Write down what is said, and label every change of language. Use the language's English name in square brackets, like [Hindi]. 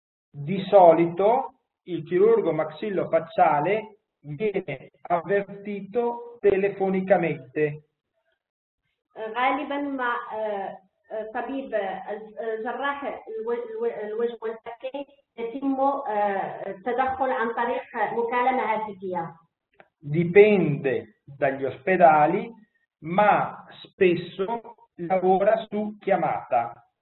[Italian] Di solito il chirurgo maxillofacciale viene avvertito telefonicamente. [Arabic] غالبا ما طبيب جراح الوجه والفكي يتم التدخل عن طريق مكالمة هاتفية. [Italian] Dipende dagli ospedali, ma spesso lavora su chiamata.